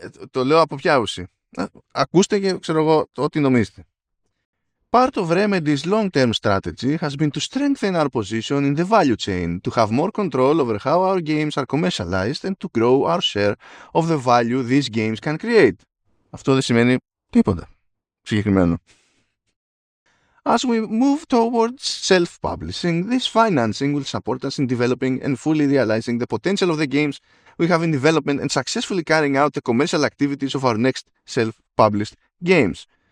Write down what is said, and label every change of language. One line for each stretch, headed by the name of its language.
Greek: Το λέω από ποια άποψη. Ακούστε και ξέρω εγώ ό,τι νομίζετε.
English: Part of Remedy's long-term strategy has been to strengthen our position in the value chain, to have more control over how our games are commercialized and to grow our share of the value these games can create.
Greek: Αυτό δεν σημαίνει τίποτα συγκεκριμένο.
English: As we move towards self-publishing, this financing will support us in developing and fully realizing the potential of the games we have in development and successfully carrying out the commercial activities of our next self-published games.